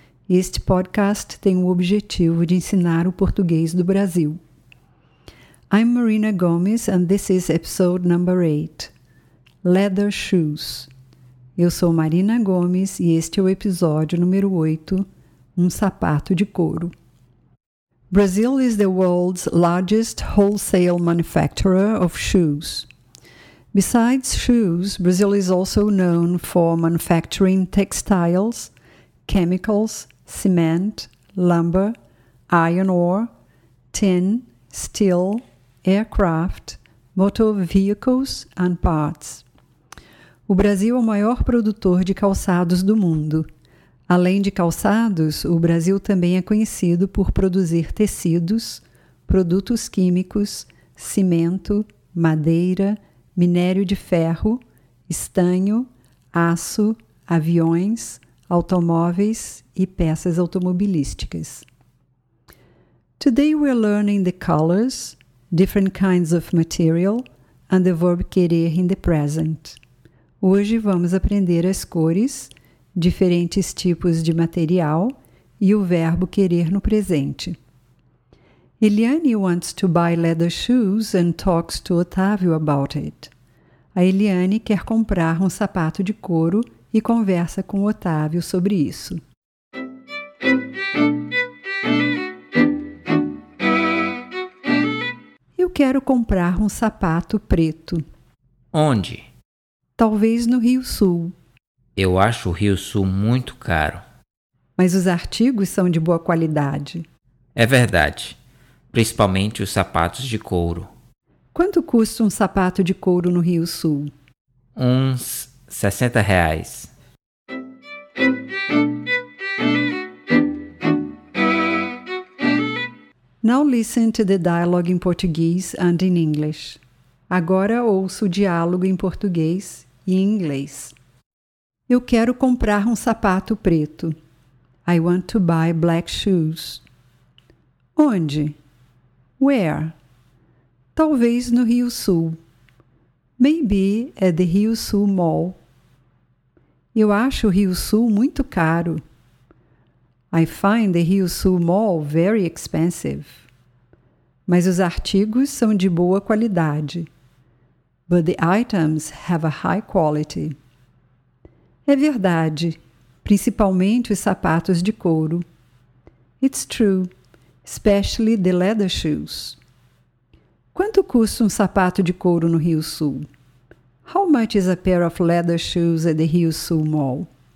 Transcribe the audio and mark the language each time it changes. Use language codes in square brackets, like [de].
[pt] Este podcast tem o objetivo de ensinar o português do Brasil. [en] I'm Marina Gomes and this is episode number 8. Leather Shoes. [pt] Eu sou Marina Gomes e este é o episódio número 8, um sapato de couro. [en] Brazil is the world's largest wholesale manufacturer of shoes. Besides shoes, Brazil is also known for manufacturing textiles, chemicals, cement, lumber, iron ore, tin, steel, aircraft, motor vehicles and parts. [pt] O Brasil é o maior produtor de calçados do mundo. Além de calçados, o Brasil também é conhecido por produzir tecidos, produtos químicos, cimento, madeira, minério de ferro, estanho, aço, aviões, automóveis e peças automobilísticas. [en] Today we are learning the colors, different kinds of material, and the verb querer in the present. [pt] Hoje vamos aprender as cores, diferentes tipos de material e o verbo querer no presente. [en] Eliane wants to buy leather shoes and talks to Otávio about it. [pt] A Eliane quer comprar um sapato de couro e conversa com o Otávio sobre isso. Eu quero comprar um sapato preto. Onde? Talvez no Rio Sul. Eu acho o Rio Sul muito caro. Mas os artigos são de boa qualidade. É verdade. Principalmente os sapatos de couro. Quanto custa um sapato de couro no Rio Sul? Uns 60 reais. [en] Now listen to the dialogue in Portuguese and in English. [pt] Agora ouça o diálogo em português e em inglês. Eu quero comprar um sapato preto. [en] I want to buy black shoes. [pt] Onde? [en] Where? [pt] Talvez no Rio Sul. [en] Maybe at the Rio Sul Mall. [pt] Eu acho o Rio Sul muito caro. [en] I find the Rio Sul Mall very expensive. [pt] Mas os artigos são de boa qualidade. [en] But the items have a high quality. [pt] É verdade, principalmente os sapatos de couro. [en] It's true, especially the leather shoes. [pt] Quanto custa um sapato de couro no Rio Sul? [en] How much is a pair of leather shoes at the Rio Sul Mall?